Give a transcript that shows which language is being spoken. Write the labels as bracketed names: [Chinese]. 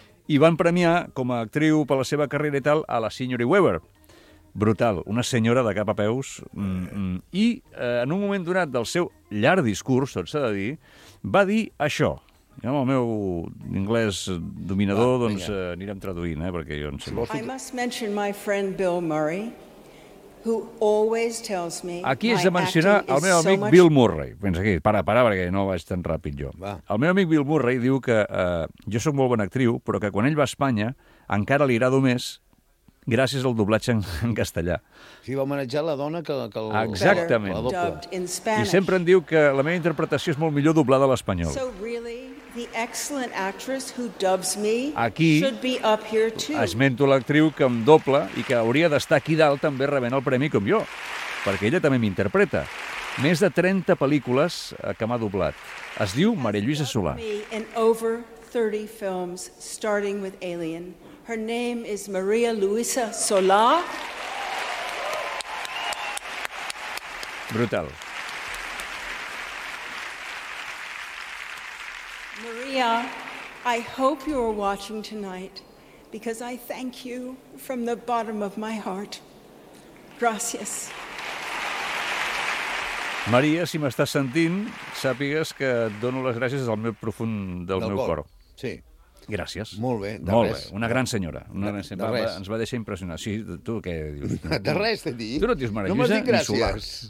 [Catalan] I van premiar com a actriu per la seva carrera i tal a la Signori Weber. Brutal, una senyora de cap a peus. I en un moment donat del seu llarg discurs, tot s'ha de dir, va dir això. Ja amb el meu anglès dominador, doncs anirem traduint, perquè jo en sé. [English] I must mention my friend Bill Murray, who always tells me. [Catalan] Aquí és de mencionar el meu amic Bill Murray. Pensa aquí, para, perquè no vaig tan ràpid jo. Va. El meu amic Bill Murray diu que jo sóc molt bona actriu, però que quan ell va a Espanya encara li agrado més gràcies al doblatge en castellà. Sí, va homenatjar la dona que el... Exactament. I sempre em diu que la meva interpretació és molt millor doblada a l'espanyol. [English] So really, the excellent actress who dubs me [Catalan] aquí, [English] should be up here too. [Catalan] Esmento l'actriu que em dobla i que hauria d'estar aquí dalt també rebent el premi com jo, perquè ella també m'interpreta. Més de 30 pel·lícules que m'ha doblat. Es diu Maria Lluïsa Solà. [English] In over 30 films, starting with Alien. Her name is Maria Lluïsa Solà. Brutal. Maria, I hope you are watching tonight because I thank you from the bottom of my heart. [Spanish] Gracias. [Catalan] Maria, si m'estàs sentint, sàpigues que et dono les gràcies del meu profund del meu cor. Sí. Gràcies. Molt bé, de molt res. Bé. Una gran senyora. Una gran senyora. De res. Ens va deixar impressionar. Sí, tu què dius? De res, t'he dit. Tu no et dius Mare Lluïsa, no m'has dit gràcies.